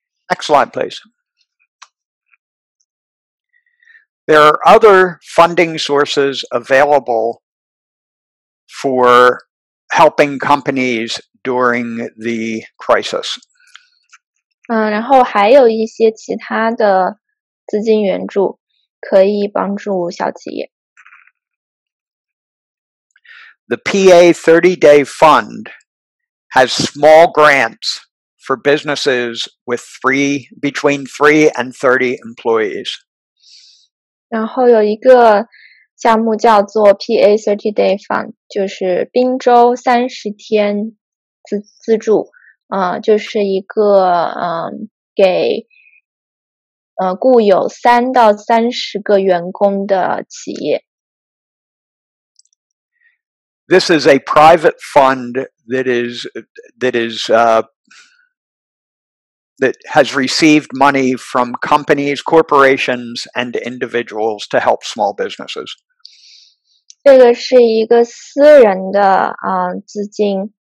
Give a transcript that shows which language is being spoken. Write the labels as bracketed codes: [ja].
[en] Next slide, please. There are other funding sources available for helping companies during the crisis. [zh] 然后还有一些其他的资金援助可以帮助小企业。 [en] The PA 30-day fund has small grants for businesses with between 3 and 30 employees. [zh] 然后有一个项目叫做 PA 30-day fund, 就是宾州30天资助。就是一个给雇有3到30个员工的企业。 [en] This is a private fund that has received money from companies, corporations, and individuals to help small businesses. [zh] 这个是一个私人的资金。